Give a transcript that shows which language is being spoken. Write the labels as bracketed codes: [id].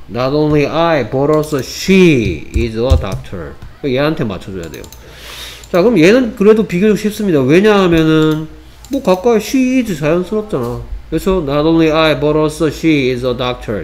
[en] Not only I, but also she is a doctor. [ko] 얘한테 맞춰줘야 돼요. 자, 그럼 얘는 그래도 비교적 쉽습니다. 왜냐하면은 뭐 가까이 she is 자연스럽잖아. [en] 그래서 not only I, but also she is a doctor.